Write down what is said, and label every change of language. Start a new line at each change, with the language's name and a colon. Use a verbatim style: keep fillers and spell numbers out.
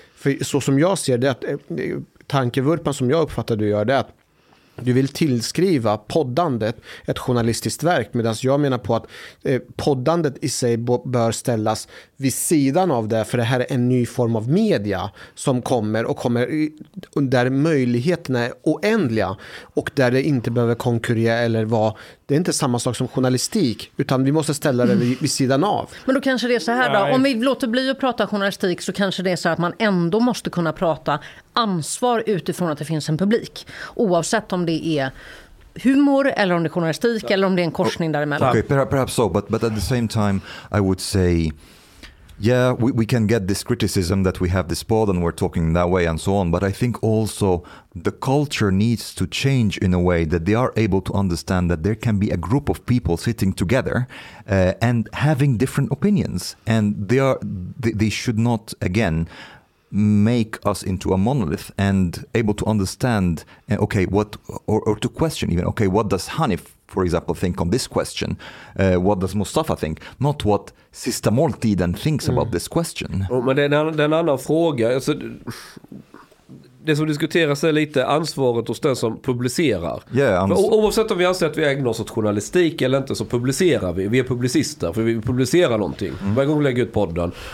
Swedish: För så som jag ser det, att, tankevurpan som jag uppfattar du gör det att du vill tillskriva poddandet ett journalistiskt verk, medan jag menar på att eh, poddandet i sig b- bör ställas vid sidan av det, för det här är en ny form av media som kommer och kommer i, där möjligheterna är oändliga och där det inte behöver konkurrera eller vara, det är inte samma sak som journalistik, utan vi måste ställa det vid, vid sidan av. Men då kanske det är så här då, om vi låter bli att prata journalistik så kanske det är så att man ändå måste kunna prata ansvar utifrån att det finns en publik, oavsett om det det är humor eller om det är journalistik
English: yeah.
Swedish: eller om det är en korsning däremellan.
English: Okay, perhaps so, but but at the same time I would say yeah, we we can get this criticism that we have this pod and we're talking that way and so on, but I think also the culture needs to change in a way that they are able to understand that there can be a group of people sitting together uh, and having different opinions, and they are they, they should not again make us into a monolith and able to understand uh, okay what or, or to question even okay what does Hanif for example think on this question, uh, what does Mustafa think, not what Sista Måltiden thinks mm. about this question.
Swedish: Oh, men det är en, det är en annan fråga, alltså, det som diskuteras är lite ansvaret hos den som publicerar.
English: Yeah,
Swedish: för o- oavsett om vi anser att vi ägnar oss åt journalistik eller inte, så publicerar vi, vi är publicister för vi publicerar någonting mm. varje gång vi lägger ut podden.